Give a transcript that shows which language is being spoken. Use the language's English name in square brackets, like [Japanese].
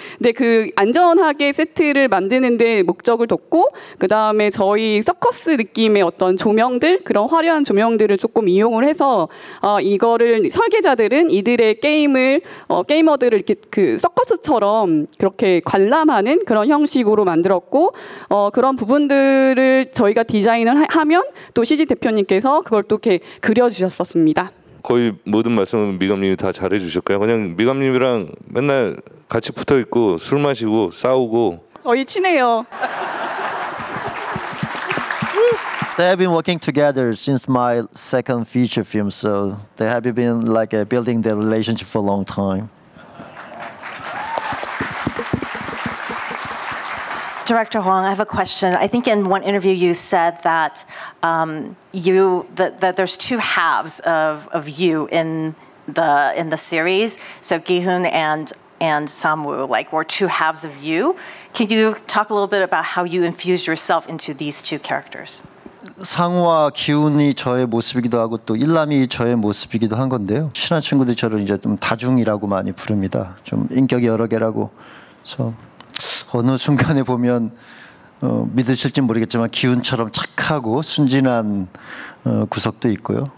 [Korean] 근데 그 안전하게 세트를 만드는데 목적을 뒀고 그 다음에 저희 서커스 느낌의 어떤 조명들 그런 화려한 조명들을 조금 이용을 해서 이거를 설계자들은 이들의 게이머들을 이렇게 그 서커스처럼 그렇게 관람하는 그런 형식으로 만들었고 그런 부분들을 저희가 디자인을 하면 또 CG 대표님께서 그걸 또 이렇게 그려주셨었습니다. 거의 모든 말씀은 미감님이 다 잘해주셨고요. 그냥 미감님이랑 맨날 같이 붙어있고 술 마시고 싸우고 저희 친해요. [English] They have been working together since my second feature film, so they have been like building their relationship for a long time. Director Hwang, I have a question. I think in one interview you said that that there's two halves of you in the series. So Gi-hun and Sam-woo, like, were two halves of you. Can you talk a little bit about how you infused yourself into these two characters? [Korean] 상우와 기훈이 저의 모습이기도 하고 또 일람이 저의 모습이기도 한 건데요. 친한 친구들이 저를 이제 좀 다중이라고 많이 부릅니다. 좀 인격이 여러 개라고 그래서 어느 순간에 보면 믿으실지 모르겠지만 기운처럼 착하고 순진한 구석도 있고요.